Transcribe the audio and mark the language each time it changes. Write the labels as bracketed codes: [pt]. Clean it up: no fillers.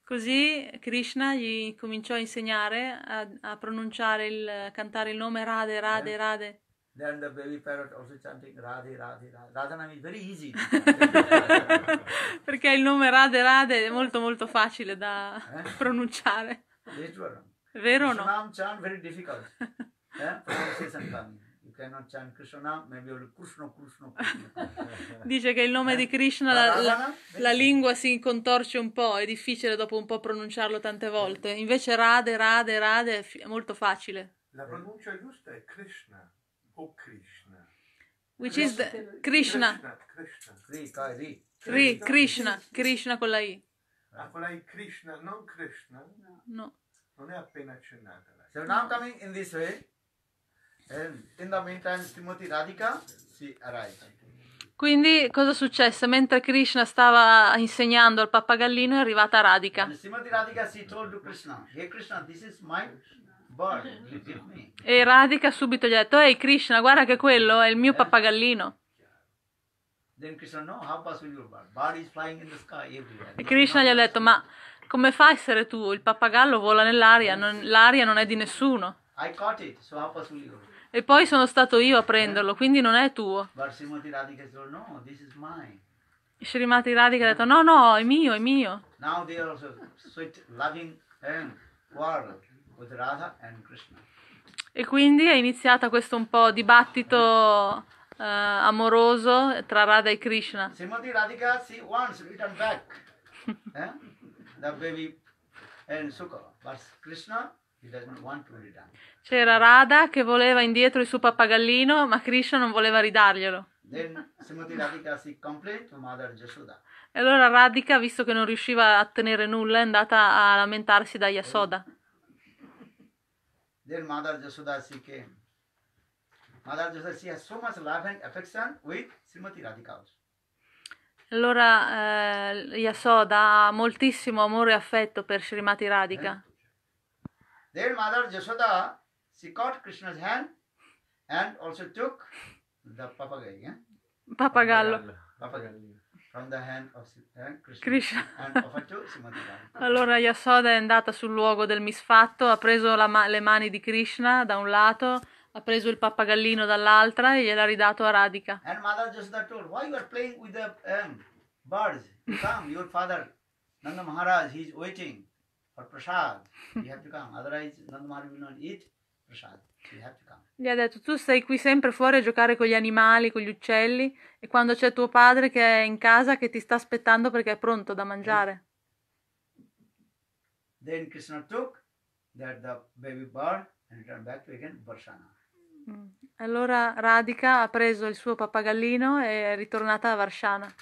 [it] Così Krishna gli cominciò a insegnare a pronunciare cantare il nome Radhe, [en] Then the baby parrot also chanting Radhi, Radhi, Radhi. Radhanam is very easy to Radhe. [it] Perché il nome Radhe, Radhe è molto, molto facile da pronunciare. [en] This one. [it] Vero [en] Krishnam chant very difficult. Pronunciation coming. You cannot chant Krishnam, maybe only Krishna, Krishna, Krishna. [it] Dice che il nome di Krishna [en] Radhanam, [it] la [en] very simple. [it] lingua si contorce un po', è difficile dopo un po' pronunciarlo tante volte. Invece Radhe, Radhe, Radhe è molto facile. La pronuncia giusta è Krishna. O Krishna. [en] Which is Krishna, the Krishna. Krishna, Krishna. Ri, Ri, Krishna. [it] Krishna, Krishna con la I. Ah, con la Krishna, non Krishna. No. Non è appena accennata la [en] So now coming in this way, and in the meantime, Srimati Radhika, [it] si arriva. Quindi cosa successe? Mentre Krishna stava insegnando al pappagallino, è arrivata Radhika. [en] And Srimati Radhika, si told to Krishna, Hey Krishna, this is my bird, you give me. [it] E Radhika subito gli ha detto: Ehi Krishna, guarda che quello è il mio pappagallino. [en] Then Krishna, no, how possible your bird? Bird is flying in the sky everywhere. [it] E [en] This is Krishna not [it] gli ha detto: [en] possible. [it] Ma come fa a essere tu? Il pappagallo vola nell'aria, l'aria non è di nessuno. [en] I caught it, so how possible your bird? [it] E poi sono stato io a prenderlo, quindi non è tuo. [en] But Srimati Radhika said, no, this is mine. [it] Srimati Radhika ha detto: No, no, è mio, è mio. [en] Now they are also sweet, loving and quarrel with Radha and Krishna. [it] E quindi è iniziato questo un po' dibattito amoroso tra Radha e Krishna. [en] Srimati Radhika, she once returned back, the baby and Sukha, but Krishna, he doesn't want to return. [it] C'era Radha che voleva indietro il suo pappagallino, ma Krishna non voleva ridarglielo. [en] Then Srimati Radhika, she complained to Mother Yashoda. [it] E allora Radhika, visto che non riusciva a tenere nulla, è andata a lamentarsi da Yasoda. [en] Then Mother Yashoda, she came. Mother Yashoda, she has so much love and affection with Srimati Radhika also. [it] Allora, Yasoda ha moltissimo amore e affetto per Srimati Radhika. [en] Then Mother Yashoda, she caught Krishna's hand and also took the papagallo, [it] Pappagallo. [en] from the hand of Krishna Krishna. and offered to Srimati Radhika. [it] Allora, Yasoda è andata sul luogo del misfatto, ha preso le mani di Krishna da un lato, ha preso il pappagallino dall'altra e gliel'ha ridato a Radhika. [en] And Mother Yashoda told, why you are playing with the birds? Come, your father, Nanda Maharaj, he is waiting for prasad. You have to come, otherwise Nanda Maharaj will not eat prasad. You have to come. [it] Gli ha detto: Tu stai qui sempre fuori a giocare con gli animali, con gli uccelli, e quando c'è tuo padre che è in casa che ti sta aspettando perché è pronto da mangiare. [en] Then Krishna took the baby bird and returned back to again Varsana. [it] Allora Radhika ha preso il suo pappagallino e è ritornata a Varshana.